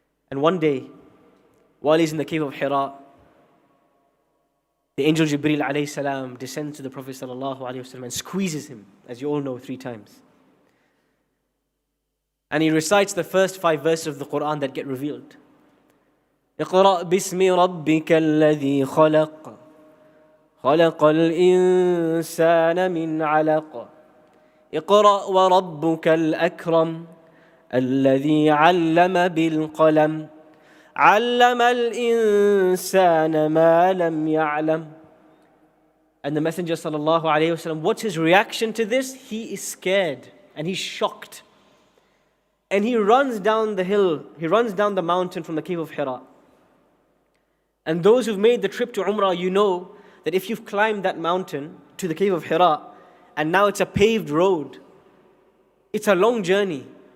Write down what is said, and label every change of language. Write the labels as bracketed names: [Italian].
[English] And one day, while he's in the cave of Hira, the angel Jibreel alayhi salam descends to the Prophet sallallahu alayhi wasallam and squeezes him, as you all know, three times. And he recites the first five verses of the Quran that get revealed. [Arabic] اقرأ باسم ربك الذي خلق خلق الإنسان من علق اقرأ وربك الأكرم الذي علم بالقلم علم الإنسان ما لم يعلم. [English] And the Messenger sallallahu alayhi wasallam, what's his reaction to this? He is scared and he's shocked. And he runs down the hill, he runs down the mountain from the cave of Hira. And those who've made the trip to Umrah, you know that if you've climbed that mountain to the cave of Hira, and now it's a paved road, it's a long journey.